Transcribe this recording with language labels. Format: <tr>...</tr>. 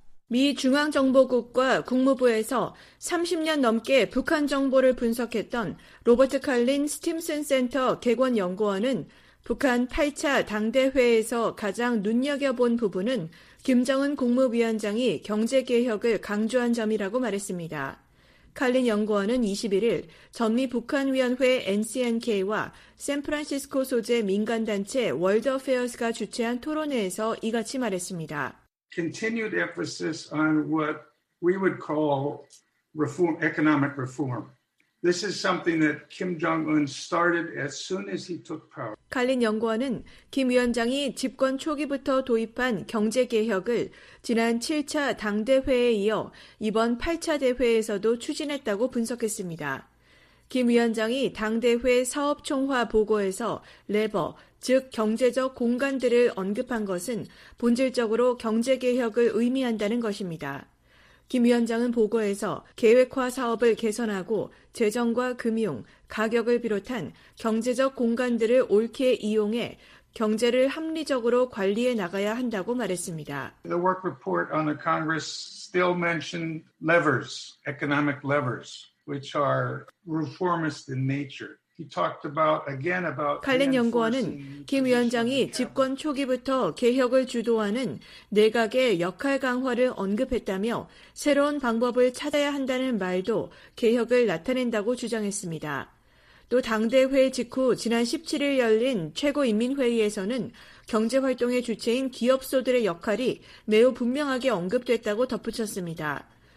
<ko>미 중앙정보국과 국무부에서 30년 넘게 북한 정보를 분석했던 로버트 칼린 스팀슨 센터 개관 연구원은 북한 8차 당대회에서 가장 눈여겨본 부분은 김정은 국무위원장이 경제개혁을 강조한 점이라고 말했습니다. 칼린 연구원은 21일 전미 북한위원회 NCNK와 샌프란시스코 소재 민간단체 월드어페어스가 주최한 토론회에서 이같이 말했습니다.</ko> <en>Continued emphasis on what we would call reform, economic reform. This is something that Kim Jong-un started as soon as he took power.</en> <ko>칼린 연구원은 김 위원장이 집권 초기부터 도입한 경제개혁을 지난 7차 당대회에 이어 이번 8차 대회에서도 추진했다고 분석했습니다. 김 위원장이 당대회 사업총화 보고에서 레버, 즉 경제적 공간들을 언급한 것은 본질적으로 경제개혁을 의미한다는 것입니다. 김 위원장은 보고에서 계획화 사업을 개선하고 재정과 금융, 가격을 비롯한 경제적 공간들을 옳게 이용해 경제를 합리적으로 관리해 나가야 한다고 말했습니다.</ko> <en>The work report on the Congress still mentioned levers, economic levers, which are reformist in nature. He talked about again about</en> <ko>칼린 연구원은 김 위원장이 집권 초기부터 개혁을 주도하는 내각의 역할 강화를 언급했다며 새로운 방법을 찾아야 한다는 말도 개혁을 나타낸다고 주장했습니다. 또 당대회 직후 지난 17일 열린 최고인민회의에서는 경제활동의 주체인 기업소들의 역할이 매우 분명하게 언급됐다고 덧붙였습니다.</ko>